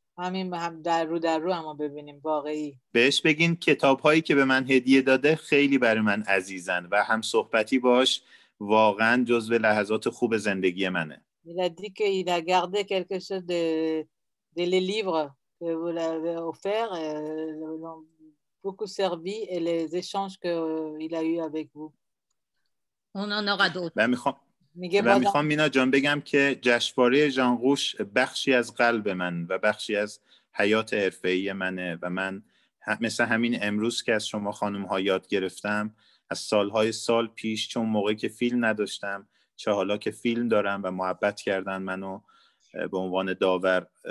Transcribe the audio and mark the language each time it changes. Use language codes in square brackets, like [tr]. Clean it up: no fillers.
[fa] همین هم در رو در رو اما ببینیم واقعی بهش بگین کتاب هایی که به من هدیه داده خیلی برای من عزیزن و هم صحبتی باش واقعا جزء لحظات خوب زندگی منه [fr] il a dit qu'il a gardé quelque chose de les livres que vous l'avez offert l'ont beaucoup servi et les échanges que il a eu avec vous on en aura d'autres [fa] و میخوام مینا جان بگم که جشنواره ژان روش بخشی از قلب من و بخشی از حیات حرفه‌ای منه و من مثل همین امروز که از شما خانم ها یاد گرفتم از سالهای سال پیش چون موقعی که فیلم نداشتم چه حالا که فیلم دارم و محبت کردن منو به عنوان داور